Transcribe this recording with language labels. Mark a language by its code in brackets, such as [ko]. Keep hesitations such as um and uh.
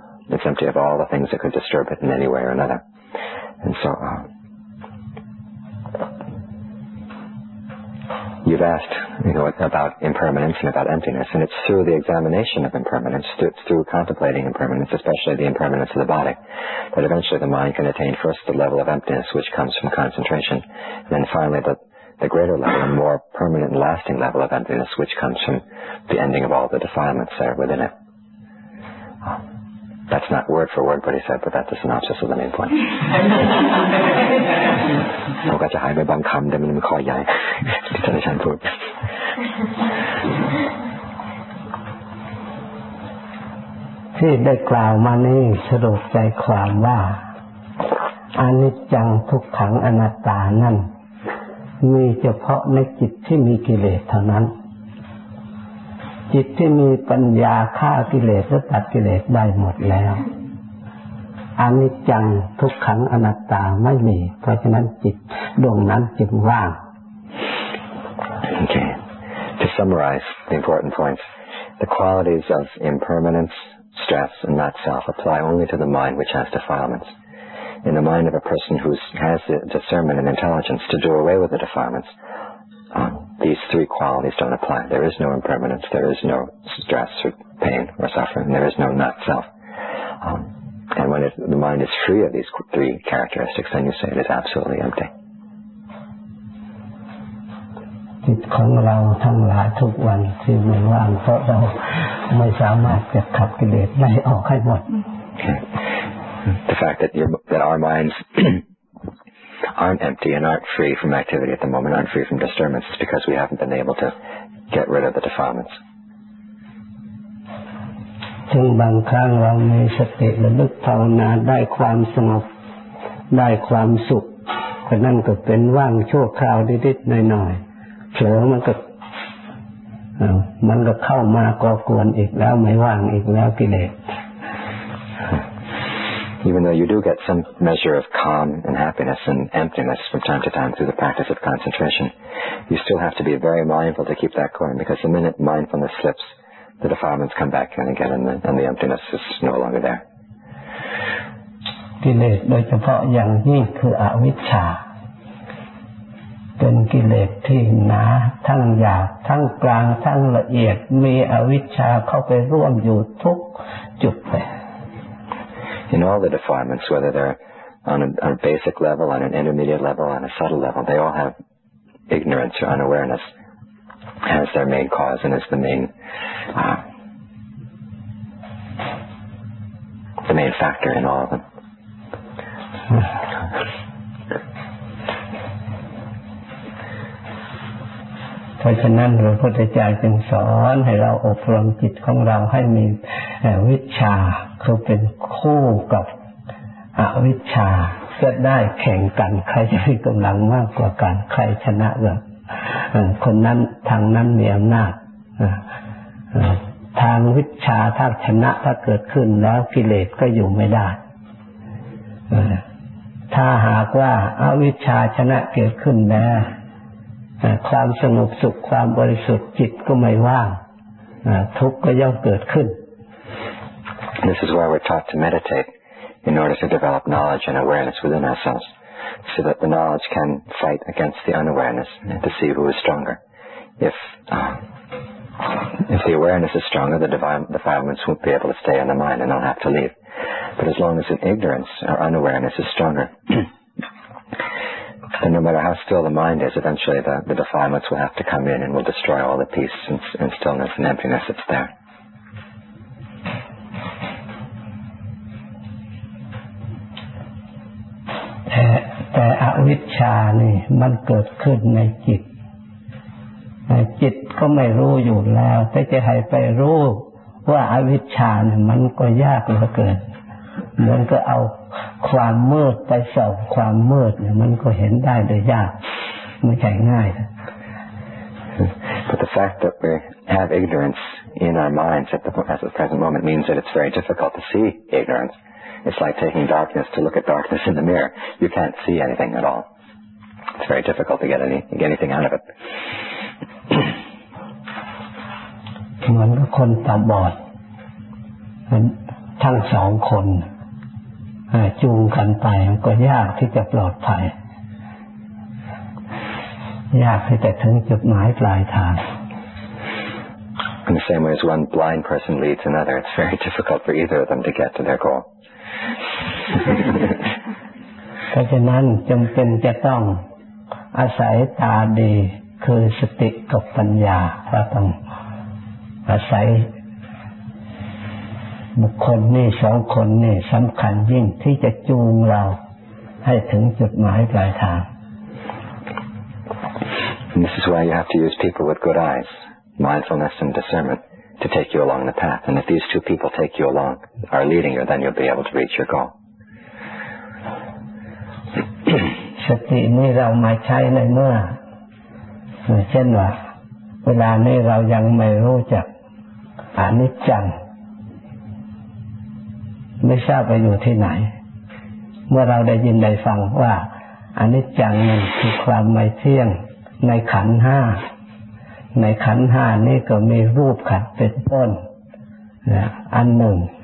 [en] It's empty of all the things that could disturb it in any way or another. And so, uh, you've asked, you know, about impermanence and about emptiness, and it's through the examination of impermanence, through, through contemplating impermanence, especially the impermanence of the body, that eventually the mind can attain first the level of emptiness which comes from concentration, and then finally the, the greater level and more permanent and lasting level of emptiness which comes from the ending of all the defilements that are within it. That's not word for word what he said, but that's the synopsis of the main point. [th] เราก็จะหายไปบางคำแต่มันเป็นข้อใหญ่ที่ท่านอาจารย์พูด ที่ได้กล่าวมานี้สรุปใจความว่าอนิจจังทุกขังอนัตตานั้น มีเฉพาะในจิตที่มีกิเลสเท่านั้น จิตที่มีปัญญาฆ่ากิเลสและตัดกิเลสได้หมดแล้วอนิจจังทุกขังอนัตตาไม่มี เพราะฉะนั้นจิตดวงนั้นจึงว่าง [en] Okay. To summarize the important points, the qualities of impermanence, stress, and not self apply only to the mind which has defilements. In the mind of a person who has the discernment and intelligence to do away with the defilements, um, these three qualities don't apply. There is no impermanence, there is no stress or pain or suffering, there is no not self. Um, and when it, the mind is free of these qu- three characteristics, then you say it is absolutely empty. [th] จิตของเราทั้งหลายทุกวันที่ไม่ว่างเพราะเราไม่สามารถจะขับกิเลสได้ออกให้หมด [en] the fact that your, that our minds aren't empty and aren't free from activity at the moment, aren't free from disturbance, is because we haven't been able to get rid of the defilements. [th] ซึ่งบางครั้งเรามีสติระลึกภาวนาได้ความสงบได้ความสุขก็นั่นก็เป็นว่างชั่วคราวนิดๆหน่อยๆเผลอมันก็เอ่อมันก็เข้ามาก่อกวนอีกแล้วไม่ว่างอีกแล้วกิเลส [en] Even though you do get some measure of calm and happiness and emptiness from time to time through the practice of concentration, you still have to be very mindful to keep that going because the minute mindfulness slips, the defilements come back in again and the, and the emptiness is no longer there. [th] กิเลสโดยเฉพาะอย่างยิ่งคืออวิชชา เป็นกิเลสที่หนาทั้งหยาบทั้งกลางทั้งละเอียดมีอวิชชาเข้าไปร่วมอยู่ทุกจุดเลย [en] in all the defilements, whether they're on a, on a basic level, on an intermediate level, on a subtle level, they all have ignorance or unawareness as their main cause and as the main uh, the main factor in all of them. [th] เพราะฉะนั้นพระพุทธเจ้าจึงสอนให้เราอบรมจิตของเราให้มีเอ่อวิชาคือเป็นคู่กับอวิชชาจะได้แข่งกันใครจะมีกำลังมากกว่ากันใครชนะกันเอ่อคนนั้นทางนั้นมีอำนาจเอ่อเอ่อทางวิชาถ้าชนะถ้าเกิดขึ้นแล้วกิเลสก็อยู่ไม่ได้ เอ่อถ้าหากว่าอาวิชชาชนะเกิดขึ้นแล้ว เอ่อความสงบสุขความบริสุทธิ์จิตก็ไม่ว่างเอ่อทุกข์ก็ย่อมเกิดขึ้น [en] This is why we're taught to meditate in order to develop knowledge and awareness within ourselves so that the knowledge can fight against the unawareness and to see who is stronger. If, uh, if the awareness is stronger, the divine, defilements won't be able to stay in the mind and they'll have to leave. But as long as an ignorance or unawareness is stronger, then no matter how still the mind is, eventually the, the defilements will have to come in and will destroy all the peace and, and stillness and emptiness that's there. [th] แต่แต่อวิชชานี่มันเกิดขึ้นในจิตแต่จิตก็ไม่รู้อยู่แล้ว แต่จะให้ไปรู้ว่าอาวิชชาเนี่ยมันก็ยากเหลือเกินมันก็เอาความมืดไปส่องความมืดเนี่ยมันก็เห็นได้โดยยากไม่ใช่ง่ายนะ [en] But the fact that we have ignorance in our minds at the, at the present moment means that it's very difficult to see ignorance. It's like taking darkness to look at darkness in the mirror. You can't see anything at all. It's very difficult to get any get anything out of it. [th] เหมือนกับคนตาบอดมันทั้งสองคนเอ่อจูงกันไปมันก็ยากที่จะปลอดภัย ยากที่จะถึงจุดหมายปลายทาง [en] In the same way as one blind person leads another, it's very difficult for either of them to get to their goal. [th] เพราะฉะนั้นจำเป็นจะต้องอาศัยตาดีคือสติกับปัญญาเราต้องอาศัย บุคคลนี่สองคนนี่สำคัญยิ่งที่จะจูงเราให้ถึงจุดหมายปลายทาง [en] And this is why you have to use people with good eyes, mindfulness and discernment to take you along the path. And if these two people take you along, are leading you, then you'll be able to reach your goal. [th] สตินี่เรามาใช้ในเมื่อเช่นว่าเวลานี้เรายังไม่รู้จักอนิจจัง ไม่ทราบไปอยู่ที่ไหน เมื่อเราได้ยินได้ฟังว่าอนิจจังนั้นคือความไม่เที่ยงในขันธ์ห้า ในขันธ์ห้านี่ก็มีรูปขันธ์เป็นต้นนะอันหนึ่ง